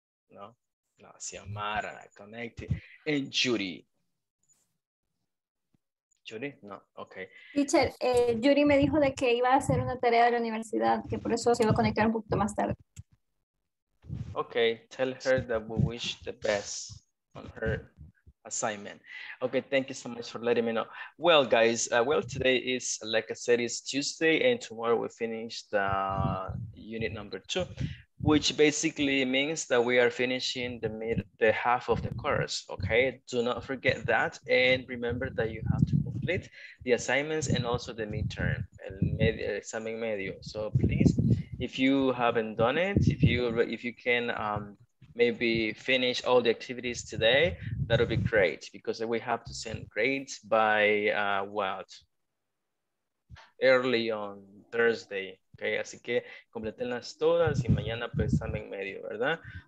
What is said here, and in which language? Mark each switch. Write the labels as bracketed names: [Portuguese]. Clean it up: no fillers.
[English] No, Xiomara, connected. And Judy. Yuri, no, okay. [Spanish] Teacher, Yuri me dijo de que iba a hacer una tarea de la universidad, que por eso se iba a conectar un poquito más tarde. [English] Okay, tell her that we wish the best on her assignment. Okay, thank you so much for letting me know. Well, guys, today is, like I said, it's Tuesday, and tomorrow we finish the unit number 2. which basically means that we are finishing the half of the course, okay? Do not forget that, and remember that you have to complete the assignments and also the midterm, [Spanish] examen medio. [English] So please, if you haven't done it, if you can maybe finish all the activities today, that'll be great, because we have to send grades by what? Early on Thursday. [Spanish] Okay, así que completenlas todas y mañana pues están en medio, ¿verdad?